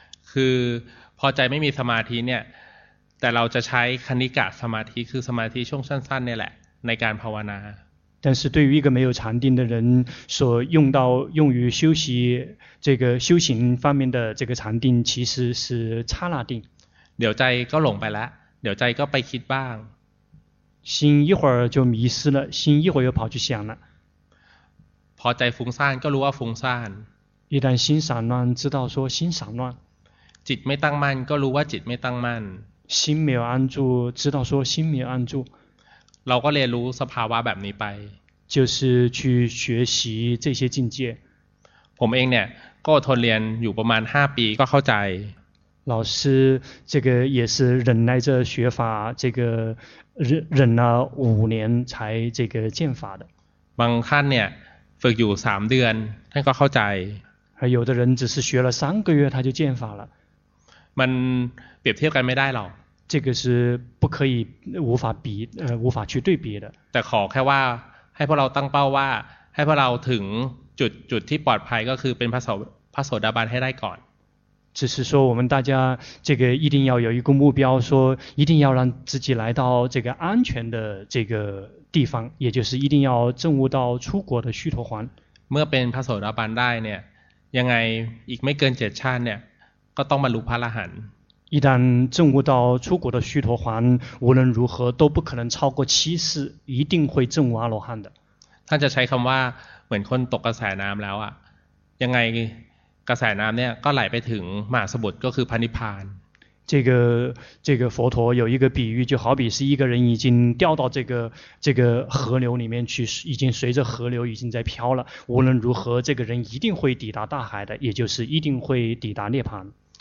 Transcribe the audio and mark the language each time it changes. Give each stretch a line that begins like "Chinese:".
Thai: คือพอใจไม่มีสมาธิเนี่ยแต่เราจะใช้คณิกะสมาธิคือสมาธิช่วงสั้นๆเนี่ยแหละในการภาวนา
Chinese: 但是对于一个没有禅定的人所用到用于修习这个修行方面的这个禅定其实是刹那定
Thai: เดี๋ยวใจก็หลงไปแล้วเดี๋ยวใจก็ไปคิดบ้าง
Chinese: 心一会儿就迷失了心一会儿又跑去想了
Thai: พอใจฟุ้งซ่านก็รู้ว่าฟุ้งซ่าน
Chinese: 一旦心散乱知道说心散乱
Thai: จิตไม่ตั้งมั่นก็รู้ว่าจิตไม่ตั้งมั่น
Chinese: 心没有安住知道说心没有安住
Thai: เราก็เรียนรู้สภาวะแบบนี้ไป
Chinese: 就是去学习这些境界
Thai: ผมเองเนี่ยก็ทนเรียนอยู่ประมาณ5ปีก็เข้าใจ
Chinese: 老师这个也是忍耐着学法这个忍了5年才这个见法的
Thai: บางท่านเนี่ยฝึกอยู่3เดือนท่านก็เข้าใจ
Chinese: 还有的人只是学了3个月他就见法了
Thai: มันเปรียบเทียบกันไม่ได้หรอก
Chinese: 这个是不可以无法比无法去对比的
Thai: แต่ขอแค่ว่าให้พวกเราตั้งเป้าว่าให้พวกเราถึงจุดที่ปลอดภัยก็คือเป็นพระโสดาบันให้ได้ก่อน
Chinese: 只是说我们大家这个一定要有一个目标说一定要让自己来到这个安全的这个地方也就是一定要证悟到出国的须陀洹
Thai: เมื่อเป็นพระโสดาบันได้เนี่ยยังไงอีกไม่เกิน7ชาติเนี่ยก็ต้องบรรลุพระอรหันต์
Chinese: 一旦证悟到出国的须陀洹无论如何都不可能超过7世一定会证悟阿罗汉的
Thai: ท่านจะใช้คำว่าเหมือนคนตกกระแสน้ำแล้วอะยังไงกระแสน้ำเนี่ยก็ไหลไปถึงมหาสมุทรก็คือพระนิพพาน
Chinese: 这个佛陀有一个比喻就好比是一个人已经掉到这个河流里面去已经随着河流已经在飘了无论如何这个人一定会抵达大海的也就是一定会抵达涅槃